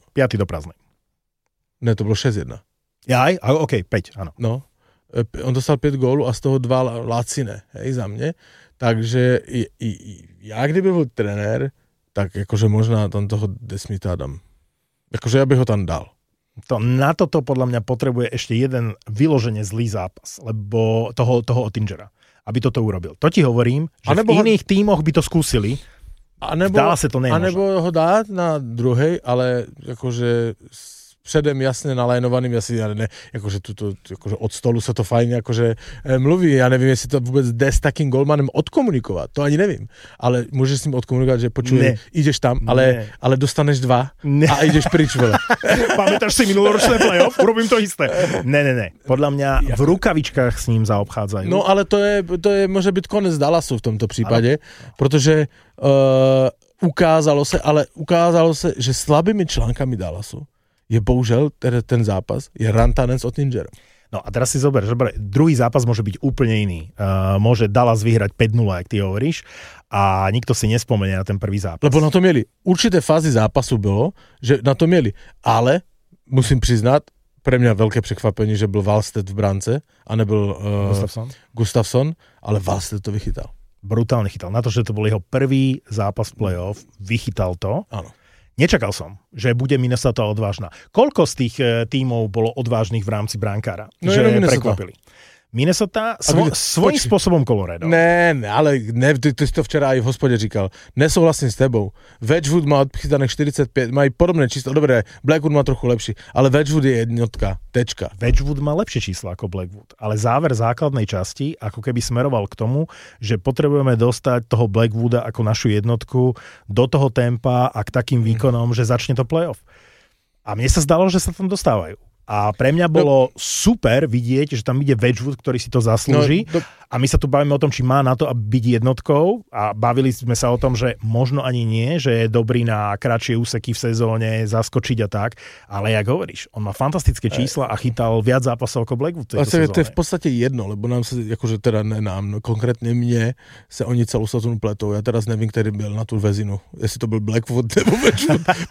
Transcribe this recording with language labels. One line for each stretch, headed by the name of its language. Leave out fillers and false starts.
Slovak: 4, 5 do prázdnej.
Czech: Ne, to bylo 6-1. Jaj, ok, 5, ano. No, on dostal 5 gólů a z toho 2 Lacine, hej, za mě. Takže já kdyby byl trenér, tak jakože možná tam toho Desmita dám. Jakože já bych ho tam dal.
Slovak: To, na toto podľa mňa potrebuje ešte jeden vyložene zlý zápas, lebo toho Oettingera, aby toto urobil. To ti hovorím, že anebo v iných tímoch by to skúsili, vzdala sa to nemožno. Anebo ho dáť na druhej, ale akože předem jasne nalajnovaným, akože od stolu sa to fajne akože mluví, ja neviem, jestli to vôbec jde s takým golmanem odkomunikovať, to ani neviem, ale môžeš s ním odkomunikovať, že počuj, ideš tam, ale dostaneš 2 ne. A ideš prič, vole. Pamätáš si minuloročné playoff? Urobím to isté. Ne, podľa mňa v rukavičkách s ním zaobchádzajú. No, ale to je môže byť konec Dallasu v tomto prípade, pretože ukázalo sa, že slabými článkami Dallasu je bohužel ten zápas, je Rantanen s Oettingerom. No a teraz si zober, že druhý zápas môže byť úplne iný. Môže Dallas vyhrať 5-0, jak ty hovoríš, a nikto si nespomenie na ten prvý zápas. Lebo na to mieli. Určité fázy zápasu bylo, že na to mieli. Ale musím priznať, pre mňa veľké prekvapenie, že bol Wallstedt v brance a nebol Gustafsson, ale Wallstedt to vychytal. brutálne chytal. Na to, že to bol jeho prvý zápas v play-off, vychytal to. Áno. Nečakal som, že bude Minnesota odvážna. Koľko z tých tímov bolo odvážnych v rámci brankára? No že Minnesota. Prekvapili. Minnesota svojím spôsobom Colorado.
Czech: Ne, ale ne, ty si to včera aj v hospode říkal. Nesouhlasím s tebou.
Slovak: Wedgwood má odchytaných 45, mají podobné číslo. Dobre, Blackwood má trochu lepší, ale Wedgwood je jednotka, tečka. Wedgwood má lepšie číslo ako Blackwood, ale záver základnej časti ako keby smeroval k tomu, že potrebujeme dostať toho Blackwooda ako našu jednotku do toho tempa a k takým výkonom, že začne to playoff. A mne sa zdalo, že sa tam dostávajú. A pre mňa bolo super vidieť, že tam ide Wedgwood, ktorý si to zaslúži. A my sa tu bavíme o tom, či má na to byť jednotkou. A bavili sme sa o tom, že možno ani nie, že je dobrý na kratšie úseky v sezóne, zaskočiť a tak. Ale jak hovoríš, on má fantastické čísla a chytal viac zápasov ako Blackwood v tejto sezóne. To je v podstate jedno, lebo nám sa, akože teda ne nám, no, konkrétne mne, sa oni celú sezónu pletou. Ja teraz neviem, ktorý byl na tú väzinu.
Czech: Jestli to byl Blackwood nebo Wedgwood.